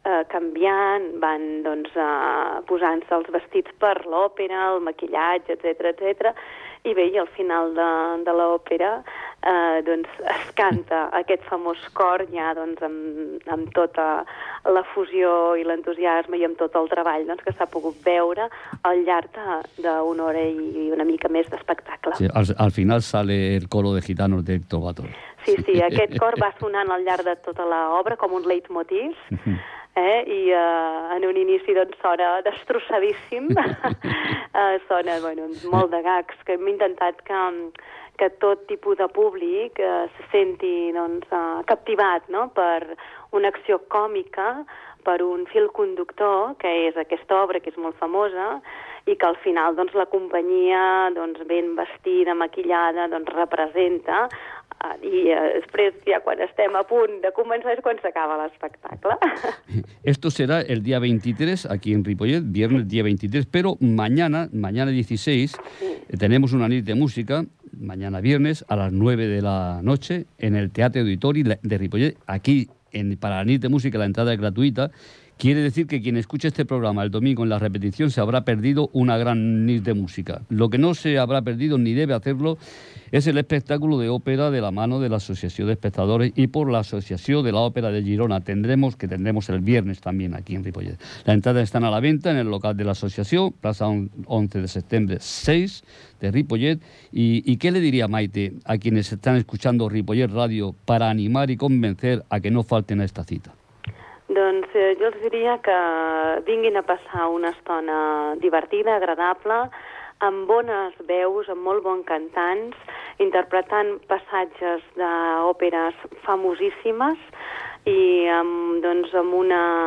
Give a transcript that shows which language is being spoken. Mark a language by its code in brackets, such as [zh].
[ca] canviant, van doncs, posant-se els vestits per l'òpera, el maquillatge, etc, etc, i bé, i al final de l'òpera doncs es canta aquest famós cor ja doncs, amb tota la fusió i l'entusiasme i amb tot el treball doncs, que s'ha pogut veure al llarg d'una hora i una mica més d'espectacle. [es] Sí, al final sale el coro de gitanos de Héctor Bator. [ca] Sí, sí, aquest cor va sonant al llarg de tota l'obra com un leitmotiv, i en un inici doncs sona destrossadíssim, sona bueno, molt de gags, que hem intentat que tot tipus de públic se senti doncs, captivat, no?, per una acció còmica, per un fil conductor, que és aquesta obra, que és molt famosa, i que al final doncs, la companyia doncs, ben vestida, maquillada, doncs, representa, i després, ja quan estem a punt de començar, és quan s'acaba l'espectacle. [es] Esto será el día 23, aquí en Ripollet, viernes día 23, pero mañana 16, sí. Tenemos una nit de música, mañana viernes a las 9 de la noche en el Teatro Auditori de Ripollet. Aquí, para la nit de música, la entrada es gratuita. Quiere decir que quien escuche este programa el domingo en la repetición se habrá perdido una gran nit de música. Lo que no se habrá perdido ni debe hacerlo es el espectáculo de ópera de la mano de la Asociación de Espectadores y por la Asociación de la Ópera de Girona que tendremos el viernes también aquí en Ripollet. Las entradas están a la venta en el local de la Asociación, Plaza 11 de Septiembre 6 de Ripollet. ¿Y qué le diría Maite a quienes están escuchando Ripollet Radio para animar y convencer a que no falten a esta cita? [ca] Doncs jo els diria que vinguin a passar una estona divertida, agradable, amb bones veus, amb molt bons cantants, interpretant passatges d'òperes famosíssimes i amb una,